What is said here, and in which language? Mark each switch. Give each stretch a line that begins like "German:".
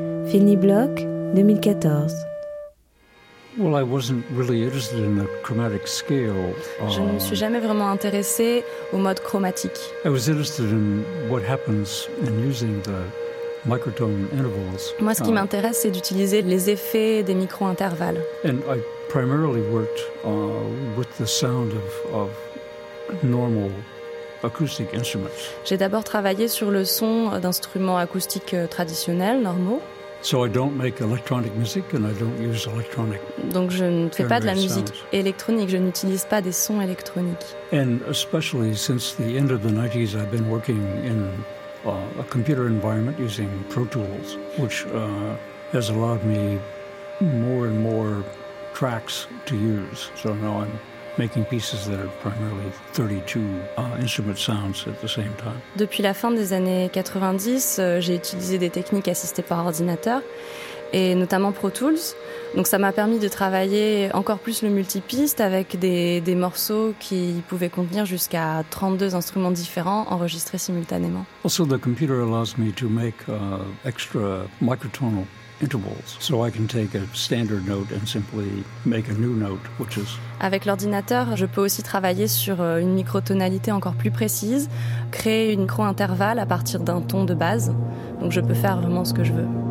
French: Fini Bloch, 2014.
English: Well, I wasn't really interested in the chromatic scale.
French: Je ne me suis jamais vraiment intéressée au mode chromatique.
English: I was interested in what happens in using the microtone intervals.
French: Moi, ce qui m'intéresse, c'est d'utiliser les effets des micro-intervalles.
English: And I primarily worked with the sound of normal acoustic instruments.
French: J'ai d'abord travaillé sur le son d'instruments acoustiques traditionnels, normaux.
English: So I don't make electronic music and I don't use electronic.
French: Donc je ne fais pas de la musique électronique, je n'utilise pas des sons électroniques.
English: And especially since the end of the 90s, I've been working in a computer environment using Pro Tools, which has allowed me more and more tracks to use. So now I'm making pieces that are primarily 32 instrument sounds at the same time.
French: Depuis la fin des années 90, j'ai utilisé des techniques assistées par ordinateur et notamment Pro Tools. Donc ça m'a permis de travailler encore plus le multipiste avec des morceaux qui pouvaient contenir jusqu'à 32 instruments différents enregistrés simultanément.
English: Also, the computer allows me to make extra microtonal intervals, so I can take a standard note and simply make a new note, which is.
French: Avec l'ordinateur, je peux aussi travailler sur une microtonalité encore plus précise, créer une micro-intervalle à partir d'un ton de base. Donc je peux faire vraiment ce que je veux.